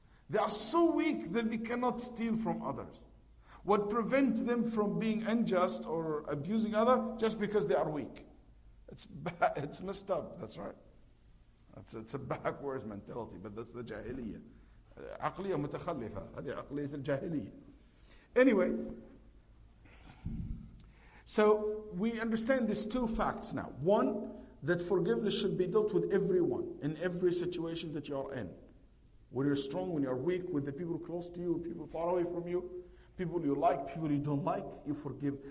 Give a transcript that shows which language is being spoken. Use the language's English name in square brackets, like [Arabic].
[English] They are so weak that they cannot steal from others. What prevents them from being unjust or abusing others? Just because they are weak. It's bad, it's messed up, that's right. It's a backwards mentality, but that's the jahiliyyah. [Arabic] عقلية متخلفة, هذه عقلية الجاهلية. [English] Anyway, so we understand these two facts now. One, that forgiveness should be dealt with everyone in every situation that you are in. When you're strong, when you're weak, with the people close to you, people far away from you, people you like, people you don't like, you forgive.